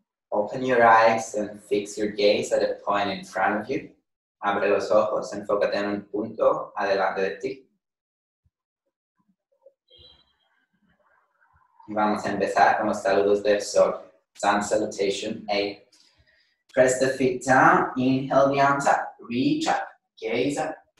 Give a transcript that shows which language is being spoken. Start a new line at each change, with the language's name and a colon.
English: Open your eyes and fix your gaze at a point in front of you.
Spanish: Abre los ojos, enfócate en un punto adelante de ti. Y vamos a empezar con los saludos del sol.
English: Sun salutation A. Press the feet down, inhale the arms up, reach up, gaze up.